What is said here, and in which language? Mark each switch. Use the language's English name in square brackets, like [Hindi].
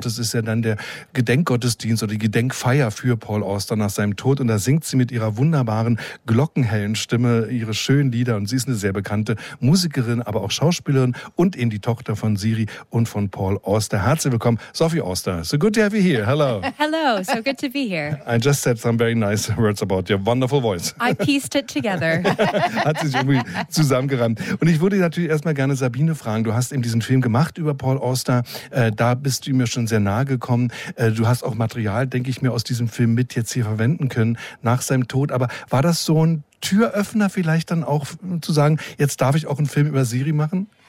[German] Das ist ja dann der Gedenkgottesdienst oder die Gedenkfeier für Paul Auster nach seinem Tod. Und da singt sie mit ihrer wunderbaren, glockenhellen Stimme ihre schönen Lieder. Und sie ist eine sehr bekannte Musikerin, aber auch Schauspielerin und eben die Tochter von Siri und von Paul Auster. Herzlich willkommen, [English] Sophie Auster. So good to have you here. Hello. Hello, so good to be here. I just said some very nice words about your wonderful voice. I pieced it together. [German] Hat sich irgendwie zusammengerannt. Und ich würde natürlich erstmal gerne Sabine fragen. Du hast eben diesen Film gemacht über Paul Auster. Da bist du mir schon sehr nahe gekommen. Du hast auch Material, denke ich mir, aus diesem Film mit jetzt hier verwenden können nach seinem Tod. Aber war das so ein Türöffner vielleicht dann auch zu sagen, jetzt darf ich auch einen Film über Siri machen?